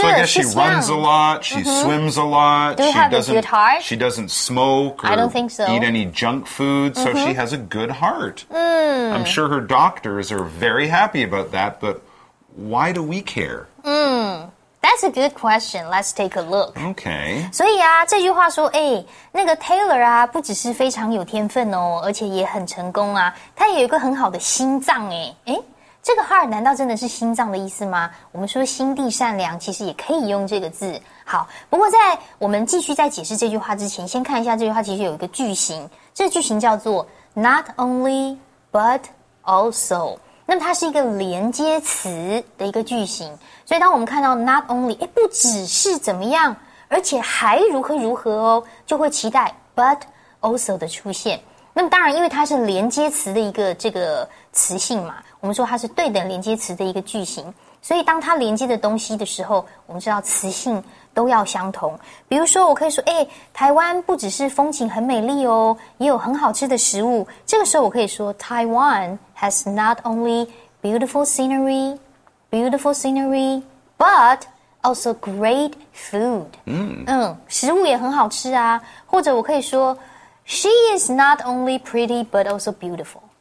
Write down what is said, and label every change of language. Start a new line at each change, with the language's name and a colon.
English: So I guess she runs a lot, she swims a lot. Do you have a good heart? She doesn't smoke or eat any junk food, so she has a good heart. I'm sure her doctors are very happy about that, but why do we care? That's a good question. Let's take a look. Okay.
Chinese: 所以啊，这句话说，那个 Taylor 啊，不只是非常有天分哦，而且也很成功啊。他也有一个很好的心脏，这个 heart 难道真的是心脏的意思吗？我们说心地善良，其实也可以用这个字。好，不过在我们继续在解释这句话之前，先看一下这句话其实有一个句型。这个句型叫做 not only but also。那么它是一个连接词的一个句型，所以当我们看到 not only 不只是怎么样，而且还如何如何哦，就会期待 but also 的出现。那么当然，因为它是连接词的一个这个词性嘛，我们说它是对等连接词的一个句型，所以当它连接的东西的时候，我们知道词性都要相同。比如说我可以说，诶，台湾不只是风景很美丽哦，也有很好吃的食物。这个时候我可以说
English: Taiwan has not only beautiful scenery, but also great food.
Chinese: 食物也很好吃啊。或者我可以说
English: She is not only pretty, but also beautiful.